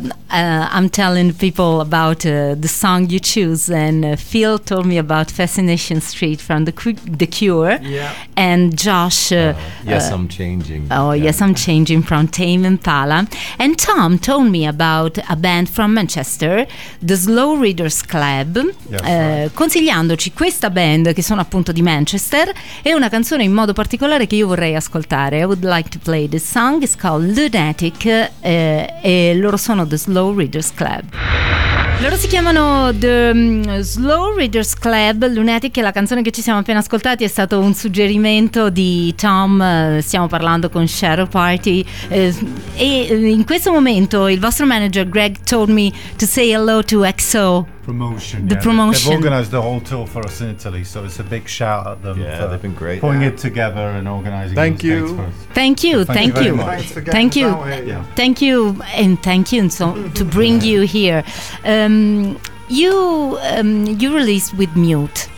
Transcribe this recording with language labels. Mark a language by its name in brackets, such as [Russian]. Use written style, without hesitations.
[English] I'm telling people about the song you choose, and Phil told me about Fascination Street from The Cure. Yeah. And Josh, Yes, I'm Changing from Tame Impala. And Tom told me about a band from Manchester, The Slow Readers Club. Yes, [Italian] consigliandoci questa band che sono appunto di Manchester, e una canzone in modo particolare che io vorrei ascoltare. [English] I would like to play this song, it's called Luna. [Italian] E loro sono The Slow Readers Club. Loro si chiamano The Slow Readers Club. Lunatic è la canzone che ci siamo appena ascoltati, è stato un suggerimento di Tom. Stiamo parlando con Shadow Party, e in questo momento il vostro manager [English] Greg told me to say hello to EXO Promotion. The promotion. They've organized the whole tour for us in Italy, so it's a big shout at them. Yeah, for they've been great. Pulling yeah. it together and organizing. Thank you. Thank you. Thank you. Thank you. Thank you. And thank you. And so to bring you here, you released with Mute.